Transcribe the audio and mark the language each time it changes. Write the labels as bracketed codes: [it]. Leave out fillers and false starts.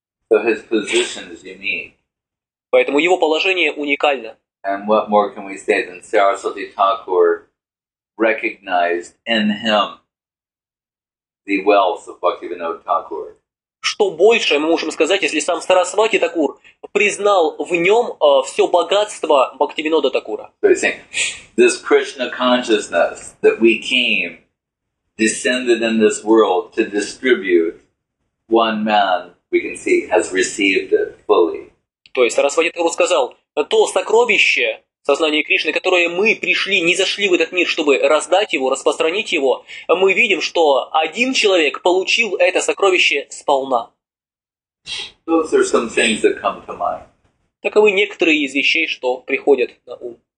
[en] So his position is unique. [ru] Поэтому его положение уникально. [en] And what more can we say than Saraswati Thakur recognized in him the wealth of Bhaktivinoda Thakur? [ru] Что больше мы можем сказать, если сам Сарасвати Такур признал в нем все богатство Бхактивинода Такура? [en] So he's saying, this Krishna consciousness that we came, descended in this world to distribute, one man, we can see, has received it fully. [ru] То есть Сарасвати Такур сказал, то сокровище сознания Кришны, которое мы пришли, не зашли в этот мир, чтобы раздать его, распространить его, мы видим, что один человек получил это сокровище сполна. [en] Those are some things that come to mind. [ru] Таковы некоторые из вещей, что приходят на ум.